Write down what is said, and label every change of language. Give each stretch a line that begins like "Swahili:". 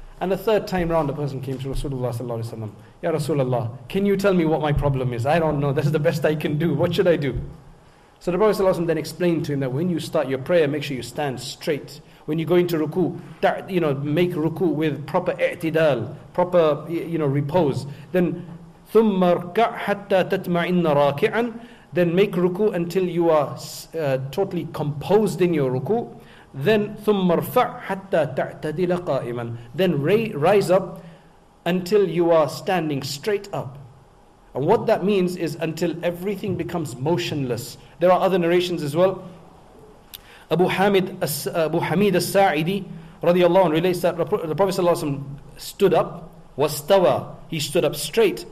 English: And the third time round, a person came to Rasulullah sallallahu alayhi wa sallam. Ya Rasulullah, can you tell me what my problem is? I don't know. This is the best I can do. What should I do? So the Prophet sallallahu alayhi wa sallam then explained to him that when you start your prayer, make sure you stand straight. When you go into ruku, you know, make ruku with proper i'tidal, proper, you know, repose.
Arabic: Then, ثُمَّ ارْكَعْ حَتَّى تَتْمَعِنَّ رَاكِعًا.
English: Then make ruku until you are totally composed in your ruku.
Arabic: Then ثُمَّ ارْفَعْ حَتَّى تَعْتَدِلَ قَائِمًا.
English: Then rise up until you are standing straight up. And what that means is until everything becomes motionless. There are other narrations as well. Abu Hamid al-Sa'idi radiallahu anhu relates that the Prophet sallallahu alayhi wa sallam stood up. وَاسْتَوَى. He stood up straight.